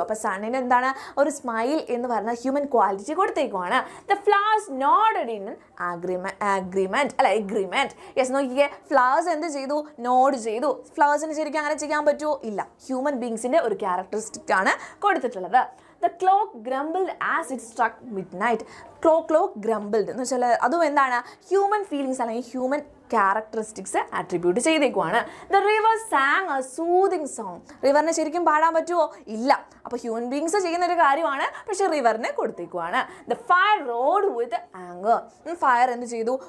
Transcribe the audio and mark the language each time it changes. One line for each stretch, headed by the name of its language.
Malayalam: അപ്പോൾ സണ്ണിന് എന്താണ് ഒരു സ്മൈൽ എന്ന് പറഞ്ഞാൽ human quality കൊടുത്തേക്കുവാണ്.
English: The flowers nodded in agreement.
Malayalam: Yes, നോക്കിക്കേ, ഫ്ലവേഴ്സ് എന്ത് ചെയ്തു? നോഡ് ചെയ്തു. ഫ്ലവേഴ്സിന് ശരിക്കും അങ്ങനെ ചെയ്യാൻ പറ്റുമോ? ഇല്ല, ഹ്യൂമൻ ബീങ്സിൻ്റെ ഒരു ക്യാരക്ടറിസ്റ്റിക് ആണ് കൊടുത്തിട്ടുള്ളത്.
English: The clock grumbled as it struck midnight. Clock grumbled
Malayalam: എന്ന് വെച്ചാൽ അതും എന്താണ്? ഹ്യൂമൻ ഫീലിങ്സ് അല്ലെങ്കിൽ human characteristics attribute ചെയ്തേക്കുവാണ്.
English: The river sang a soothing song.
Malayalam: റിവറിനെ ശരിക്കും പാടാൻ പറ്റുമോ? ഇല്ല. അപ്പോൾ ഹ്യൂമൻ ബീങ്സ് ചെയ്യുന്ന ഒരു കാര്യമാണ്, പക്ഷേ റിവറിനെ കൊടുത്തേക്കുവാണ്.
English: The fire roared with anger.
Malayalam: Fire എന്ത് ചെയ്തു?